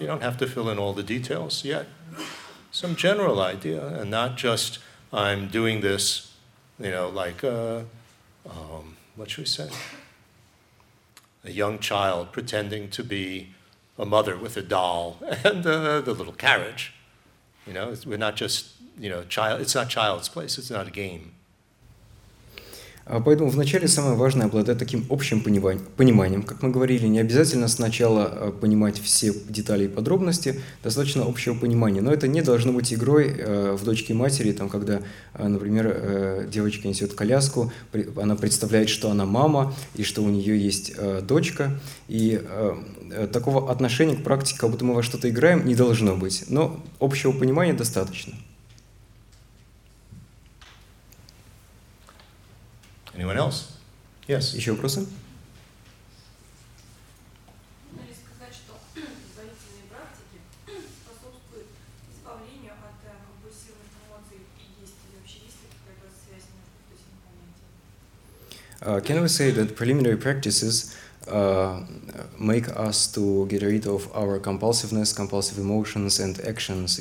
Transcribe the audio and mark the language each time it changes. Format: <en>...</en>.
<en>You don't have to fill in all the details yet. Some general idea, and not just I'm doing this, you know, like what should we say? A young child pretending to be a mother with a doll and the little carriage. You know, we're not just, you know, child. It's not child's place. It's not a game.</en> <ru>Поэтому вначале самое важное обладать таким общим пониманием. Как мы говорили, не обязательно сначала понимать все детали и подробности, достаточно общего понимания. Но это не должно быть игрой в дочке и матери, там, когда, например, девочка несет коляску, она представляет, что она мама, и что у нее есть дочка. И такого отношения к практике, как будто мы во что-то играем, не должно быть. Но общего понимания достаточно.</ru> <en>Anyone else? Yes.</en> <ru>Еще вопросы? Можно ли сказать, что предварительные практики способствуют избавлению от компульсивных эмоций и действий? Вообще есть ли какая-то связь между этими понятиями?</ru> <en>Can we say that preliminary practices make us to get rid of our compulsiveness, compulsive emotions and actions?</en>